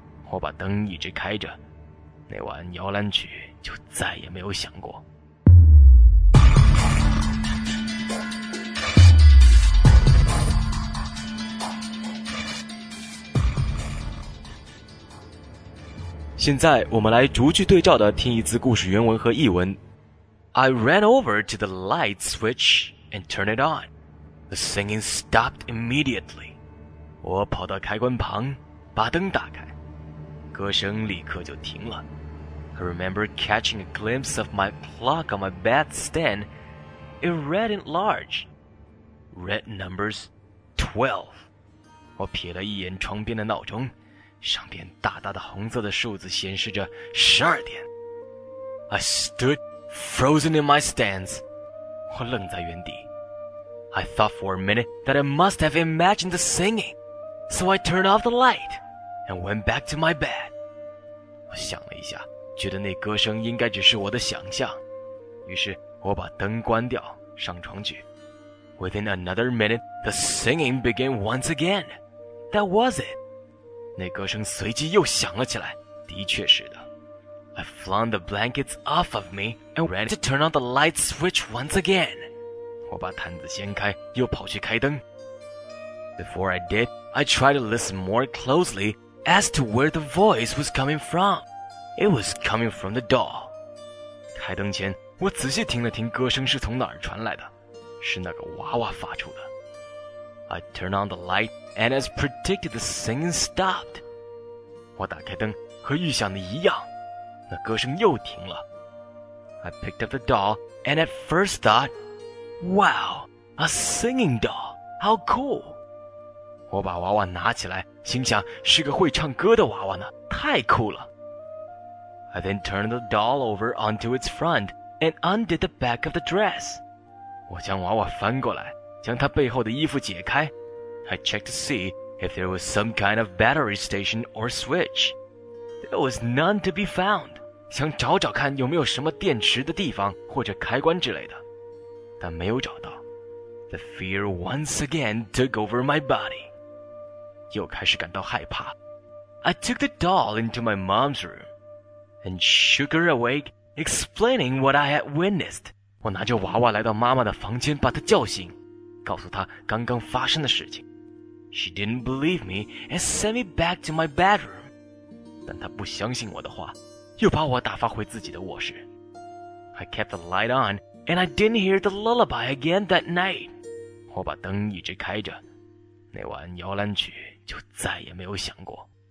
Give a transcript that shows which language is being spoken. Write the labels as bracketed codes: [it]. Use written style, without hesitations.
[zh] 我把灯一直开着，那晚摇篮曲就再也没有响过。现在我们来逐句对照的听一次故事原文和译文。 [en] I ran over to the light switch and turned it on. The singing stopped immediately. [zh] 我跑到开关旁，把灯打开。歌声立刻就停了。 [en] I remember catching a glimpse of my clock on my bedstand. It read in large. Red numbers 12. [zh] 我瞥了一眼床边的闹钟，上边大大的红色的数字显示着12点。 [en] I stood frozen in my stance. [zh] 我愣在原地。 [en] I thought for a minute that I must have imagined the singing. So I turned off the light. And went back to my bed. [zh] 我想了一下，觉得那歌声应该只是我的想象，于是我把灯关掉，上床去。 [en] Within another minute, the singing began once again. That was it. [zh] 那歌声随即又响了起来，的确是的。 [en] I flung the blankets off of me and ran to turn on the light switch once again. [zh] 我把毯子掀开，又跑去开灯。 [en] Before I did, I tried to listen more closely as to where the voice was coming from. It was coming from the doll. [zh] 台灯前，我仔细听了听歌声是从哪儿传来的，是那个娃娃发出的。 [en] I turn on the light, and as predicted, the singing stopped. [zh] 我打开灯，和预想的一样，那歌声又停了。 [en] I picked up the doll, and at first thought, wow, a singing doll, how cool. [zh] 我把娃娃拿起来，心想是个会唱歌的娃娃呢，太酷了。 [en] I then turned the doll over onto its front and undid the back of the dress. [zh] 我将娃娃翻过来，将它背后的衣服解开。 [en] I checked to see if there was some kind of battery station or switch. There was none to be found. [zh] 想找找看有没有什么电池的地方或者开关之类的，但没有找到。 [en] The fear once again took over my body. [zh] 又开始感到害怕。 [en] I took the doll into my mom's room. And shook her awake, explaining what I had witnessed. [zh] 我拿着娃娃来到妈妈的房间，把她叫醒，告诉她刚刚发生的事情。 [en] She didn't believe me and sent me back to my bedroom. [zh] 但她不相信我的话，又把我打发回自己的卧室。 [en] I kept the light on, and I didn't hear the lullaby again that night. [zh] 我把灯一直开着，那晚摇篮曲就再也没有响过。